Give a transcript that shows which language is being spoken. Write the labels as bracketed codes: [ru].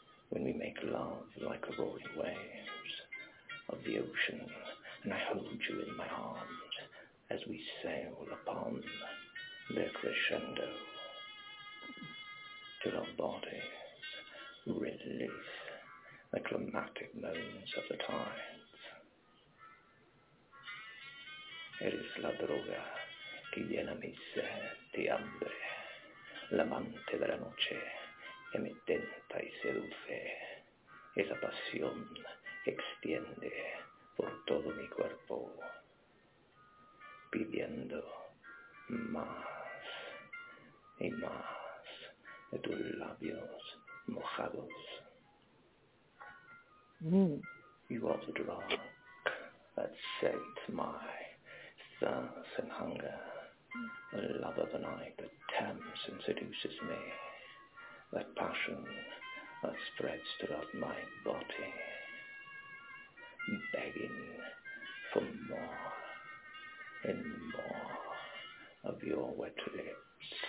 [en] When we make love like the roaring waves of the ocean, and I hold you in my arms as we sail upon the crescendo. to our bodies, release the climatic moments of the tides. [es] Eres la droga que llena mi sed de hambre, la amante de la noche que me tenta y seduce, esa pasión que extiende por todo mi cuerpo, pidiendo más y más de tus labios mojados. [en] You are the drug that sates my thirst and hunger, the love of the night that tempts and seduces me, that passion that spreads throughout my body, begging for more and more of your wet lips.